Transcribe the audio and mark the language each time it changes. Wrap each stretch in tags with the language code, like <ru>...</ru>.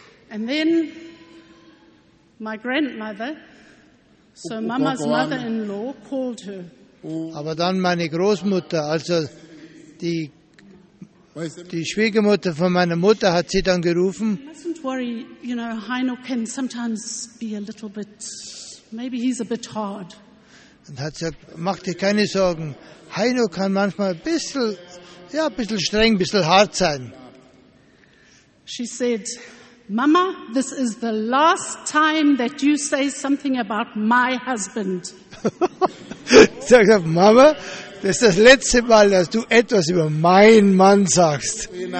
<en>And then my grandmother, so Mama's mother-in-law, called her.</en> <de>Aber dann meine Großmutter, also die Schwiegermutter von meiner Mutter, hat sie dann gerufen.</de> <en>Mustn't worry, you know, Heino can sometimes be a little bit, maybe he's a bit hard.</en> <de>Und hat gesagt, mach dir keine Sorgen. Heino kann manchmal ein bisschen streng, ein bisschen hart sein.</de> <en>She said, Mama, this is the last time that you say something about my husband.</en> <de>Sie hat gesagt, Mama, das ist das letzte Mal, dass du etwas über meinen Mann sagst.</de>